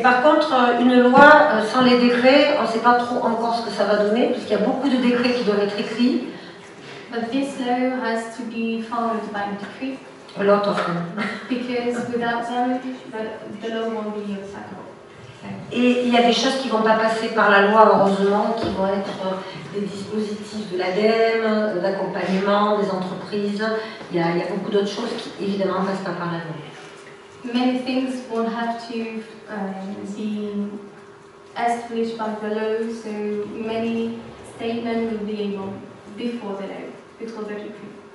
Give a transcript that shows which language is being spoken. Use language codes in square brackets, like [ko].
[fr] Et par contre, une loi sans les décrets, on ne sait pas trop encore ce que ça va donner, parce qu'il y a beaucoup de décrets qui doivent être écrits. [en] But this law has to be followed by a decree. A lot of them. Because without them, the law won't be applicable. [fr] Et il y a des choses qui ne vont pas passer par la loi, heureusement, qui vont être des dispositifs de l'ADEME, d'accompagnement, des entreprises. Il y a beaucoup d'autres choses qui, évidemment, ne passent pas par la loi. [en] Many things will have to be established by the law, so many statements will be able before the law, before the decree.